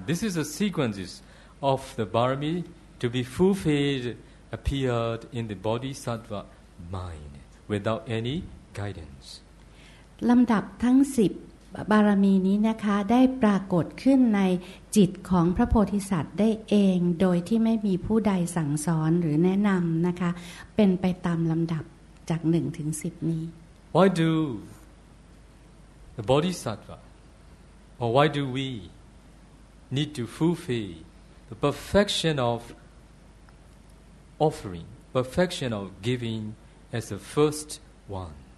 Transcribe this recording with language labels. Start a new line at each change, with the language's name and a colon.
English: This is the sequences of the Bharami to be fulfilled appeared in the Bodhisattva mind without any guidance.
Thai: ลำดับทั้ง10บารมีนี้นะคะได้ปรากฏขึ้นในจิตของพระโพธิสัตว์ได้เองโดยที่ไม่มีผู้ใดสั่งสอนหรือแนะนำนะคะเป็นไปตามลำดับจาก1ถึง10นี้
English: Why do the Bodhisattva or why do we need to fulfill the perfection of offering perfection of giving as the first one